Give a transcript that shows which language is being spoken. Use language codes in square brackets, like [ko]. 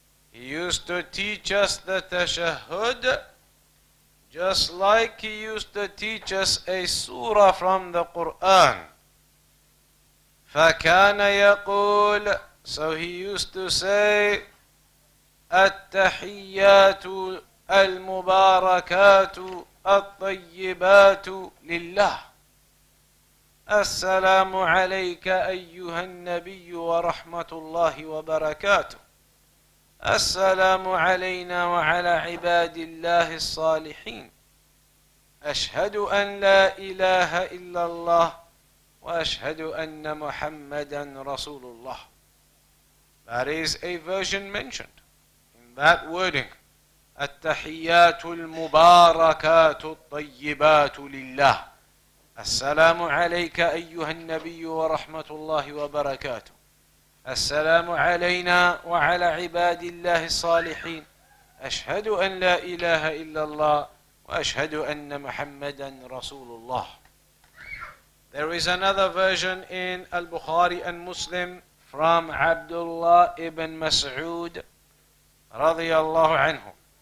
[en] He used to teach us the tashahhud just like he used to teach us a surah from the Quran. [ar] فَكَانَ يَقُولُ [en] So he used to say, [ar] التَّحِيَّاتُ الْمُبَارَكَاتُ الطَّيِّبَاتُ لِلَّهِ السَّلَامُ عَلَيْكَ أَيُّهَا النَّبِيُّ وَرَحْمَةُ اللَّهِ وَبَرَكَاتُهُ السلام علينا وعلى عباد الله الصالحين أشهد أن لا إله إلا الله وأشهد أن محمدا رسول الله. [en] That is a version mentioned in that wording. [ar] التحيات المباركات الطيبات لله السلام عليك أيها النبي ورحمة الله وبركاته السلام علينا وعلى عباد الله الصالحين أشهد أن لا إله إلا الله وأشهد أن محمدا رسول الله. [en] There is another version in Al-Bukhari and Muslim from Abdullah ibn Mas'ud رضي الله عنه.